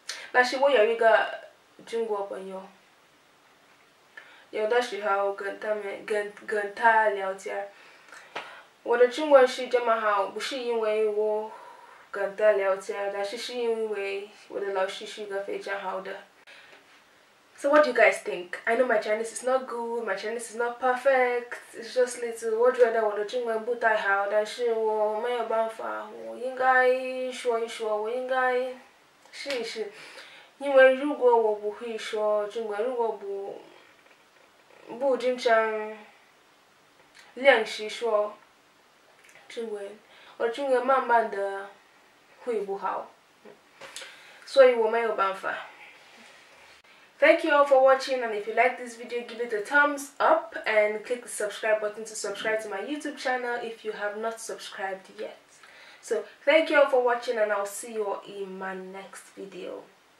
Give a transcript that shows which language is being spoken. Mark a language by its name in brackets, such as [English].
[Chinese] 但是我有一个中国朋友，有的时候跟他聊天，我的中文是这么好，不是因为我跟他聊天，但是因为我的老师是一个非常好的。 [English] So what do you guys think? I know my Chinese is not good, my Chinese is not perfect, it's just little. [Chinese] 我觉得我的中文不太好，但是我没有办法，我应该说一说，我应该试一试。因为如果我不会说中文，如果不经常练习说中文，我的中文慢慢的会不好，所以我没有办法。 [English] Thank you all for watching, and if you like this video, give it a thumbs up and click the subscribe button to subscribe to my YouTube channel if you have not subscribed yet. So, thank you all for watching, and I'll see you all in my next video.